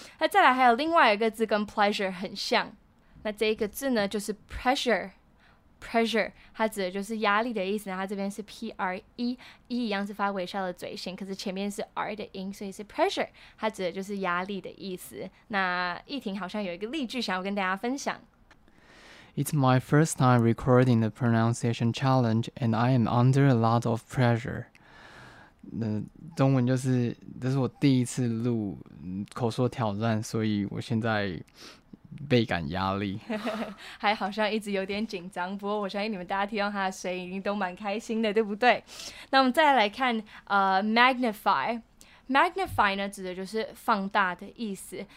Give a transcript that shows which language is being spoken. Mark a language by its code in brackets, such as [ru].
[zh] 那再来还有另外一个字跟 pleasure 很像，那这一个字呢就是 pressure。 Pressure， 它指的就是压力的意思。它这边是 P-R-E， 一样是发微笑的嘴型，可是前面是 R 的音，所以是 pressure， 它指的就是压力的意思。那易婷好像有一个例句想要跟大家分享。 [en] It's my first time recording the pronunciation challenge, and I am under a lot of pressure. [zh] 那中文就是，这是我第一次录口说挑战，所以我现在倍感压力，还好像一直有点紧张。不过我相信你们大家听到他的声音，一定都蛮开心的，对不对？那我们再来看，magnify 呢，指的就是放大的意思。